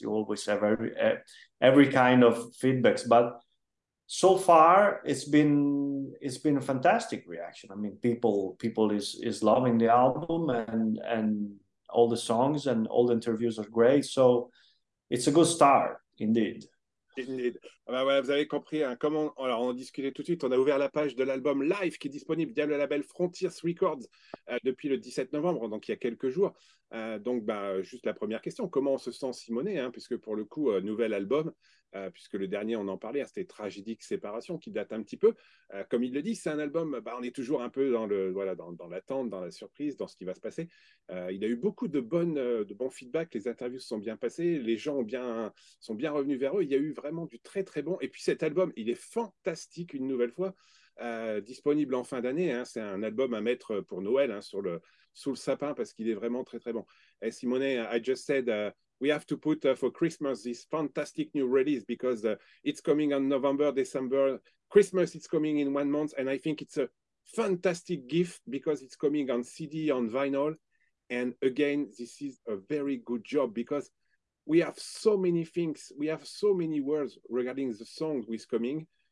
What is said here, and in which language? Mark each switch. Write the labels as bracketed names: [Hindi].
[English] You always have every kind of feedbacks. But so far, it's been a fantastic reaction. I mean, people is loving the album and all the songs, and all the interviews are great. So it's a good start, indeed. [French] Ah ouais, vous avez compris, hein, comment on en discutait tout de suite. On a ouvert la page de l'album Life qui est disponible via le label Frontiers Records depuis le 17 novembre, donc il y a quelques jours. Juste la première question, comment on se sent Simone, hein, puisque pour le coup, nouvel album, puisque le dernier on en parlait, hein, c'était Tragédique Séparation qui date un petit peu. Comme il le dit, c'est un album, on est toujours un peu dans l'attente, dans la surprise, dans ce qui va se passer. Il a eu beaucoup de bons feedbacks, les interviews se sont bien passées, les gens sont bien revenus vers eux. Il y a eu vraiment du très très bon. Et puis cet album, il est fantastique une nouvelle fois. Disponible en fin d'année, hein. C'est un album à mettre pour Noël, hein, sous le sapin, parce qu'il est vraiment très très bon. [English] Et Simone, I just said we have to put for Christmas this fantastic new release, because it's coming on November, December, Christmas it's coming in 1 month, and I think it's a fantastic gift, because it's coming on CD, on vinyl, and again, this is a very good job, because we have so many things, we have so many words regarding the song who is coming.